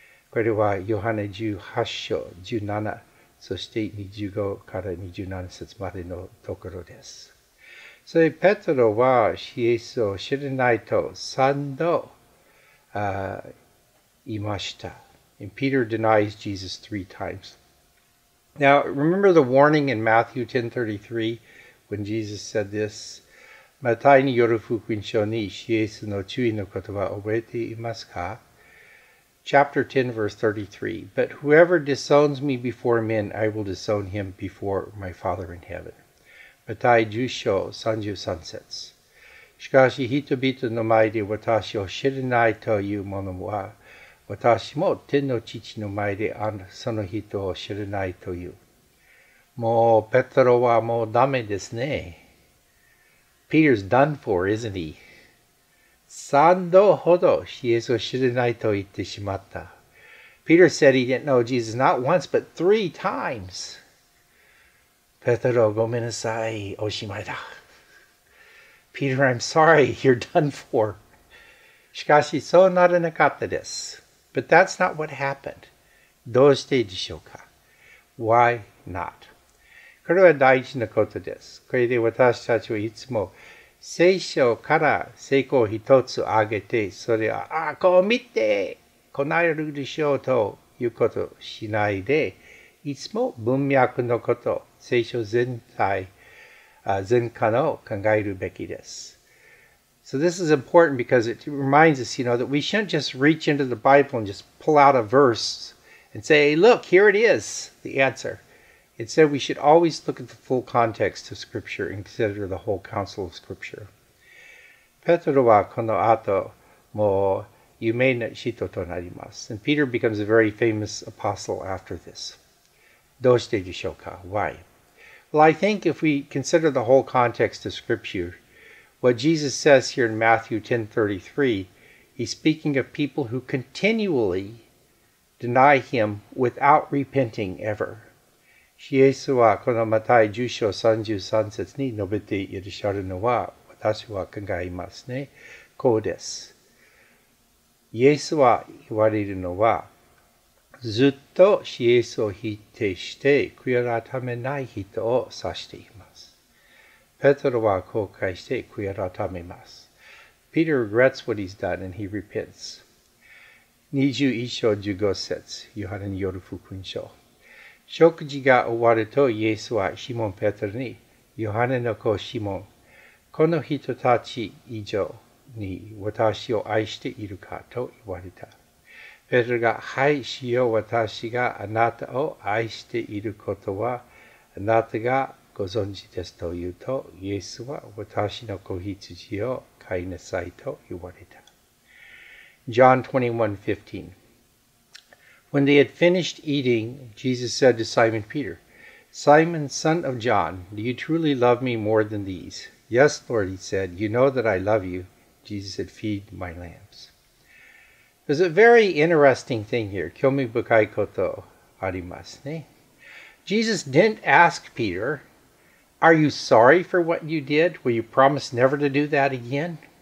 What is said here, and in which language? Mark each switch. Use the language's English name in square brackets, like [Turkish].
[Japanese] これはヨハネ18章17。そして25から27節までのところです。それペトロはイエスを知らないと三度言いました。 [English] And Peter denies Jesus three times. Now, remember the warning in Matthew 10:33 when Jesus said this? [Japanese] マタイによる福音書にイエスの注意の言葉を覚えていますか? [English] Chapter 10, verse 33. But whoever disowns me before men, I will disown him before my Father in heaven. Matthew 10:33. [Japanese] しかし人々の前で私を知らないというものは、私も天の父の前でその人を知らないという。もうペトロはもうダメですね。 [English] Peter's done for, isn't he? [Japanese] 三度ほどイエスを知らないと言ってしまった。 [English] Peter said he didn't know Jesus not once, but three times. [Japanese] ペトロ、ごめんなさい。おしまいだ。 [English] Peter, I'm sorry. You're done for. [Japanese] しかし、そうならなかったです。 [English] But that's not what happened. [Japanese] どうしてでしょうか? [English] Why not? [Japanese] これは大事なことです。これで私たちはいつも聖書から成功を一つ挙げて、それは、ああ、こう見て、こなえるでしょうということをしないで、いつも文脈のこと、聖書全体、全科の考えるべきです。 [English] So this is important because it reminds us, you know, that we shouldn't just reach into the Bible and just pull out a verse and say, look, here it is, the answer. It said we should always look at the full context of Scripture and consider the whole counsel of Scripture. [Japanese] ペトロはこの後もう有名な人となります。 [English] And Peter becomes a very famous apostle after this. [Japanese] どうしてでしょうか? [English] Why? Well, I think if we consider the whole context of Scripture, what Jesus says here in Matthew 10:33, he's speaking of people who continually deny him without repenting ever. [Japanese] イエスはこのマタイ10章33節に述べていらっしゃるのは、私は考えますね。こうです。イエスは言われるのは、ずっとイエスを否定して悔い改めない人を指しています。ペトロは後悔して悔い改めます。 [English] Peter regrets what he's done and he repents. [Japanese] 21章15節、ヨハネによる福音書。食事が終わると、イエスはシモン・ペトロに、ヨハネの子シモン、この人たち以上に私を愛しているかと言われた。ペトロが、はい、主よ、私があなたを愛していることは、あなたがご存知ですと言うと、イエスは私の子羊を飼いなさいと言われた。 [English] John 21:15When they had finished eating, Jesus said to Simon Peter, Simon, son of John, do you truly love me more than these? Yes, Lord, he said, you know that I love you. Jesus said, feed my lambs. There's a very interesting thing here. [Japanese] 興味深いことありますね。 [English] Jesus didn't ask Peter, are you sorry for what you did? Will you promise never to do that again?